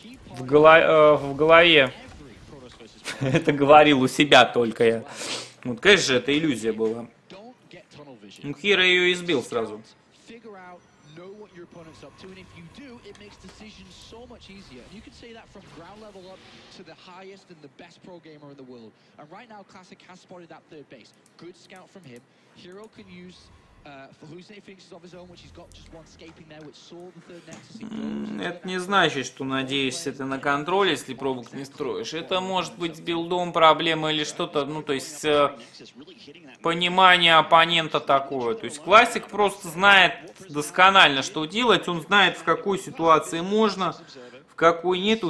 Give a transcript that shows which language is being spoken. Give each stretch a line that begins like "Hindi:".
Russian: В голове. Это говорил у себя только я. Вот, конечно же, это иллюзия была. Ну, Хиро ее избил сразу.
English: Know what your opponent's up to, and if you do, it makes decisions so much easier. You can say that from ground level up to the highest and the best pro gamer in the world. And right now, Classic has spotted that third base. Good scout from him. Hero can use Fuhuse Phoenix of his own, which he's got just one escaping there, which saw the third next.
Russian: Это не значит, что надеешься ты на контроль, если пробок не строишь. Это может быть билдом проблема или что-то, ну то есть понимание оппонента такое. То есть Classic просто знает досконально, что делать, он знает, в какой ситуации можно, в какой нет.